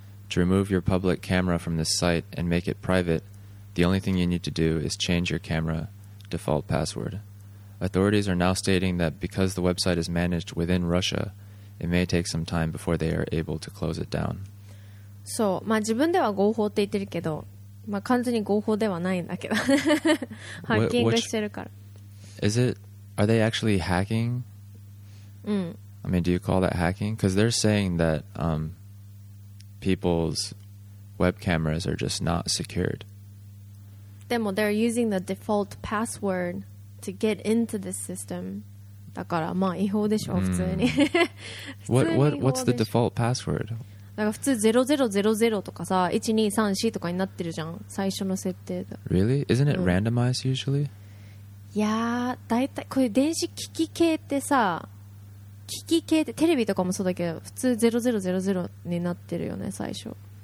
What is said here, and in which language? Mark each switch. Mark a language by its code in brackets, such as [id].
[en] To remove your public camera from this site and make it private, the only thing you need to do is change your camera default password. Authorities are now stating that because the website is managed within Russia, it may take some time before they are able to close it down. [ja] So, まあ自分では合法って言ってるけど、まあ、完全に合法ではないんだけど、ハッキングしてるから。 [en] Is it? Are they actually hacking? うん。 I mean, do you call that hacking? Because they're saying that people's web cameras are just not secured. でも they're using the default password to get into the system. [ja] だからまあ違法でしょ、普通に。 [en] What's the default password? [ja] なんか普通0000とかさ、1234とかになってるじゃん、最初の設定で。 [en] Really? Isn't it randomized usually? [ja] いやー、だいたいこういう電子機器系ってさ、機器系ってテレビとかもそうだけど、普通0000になってるよね、最初。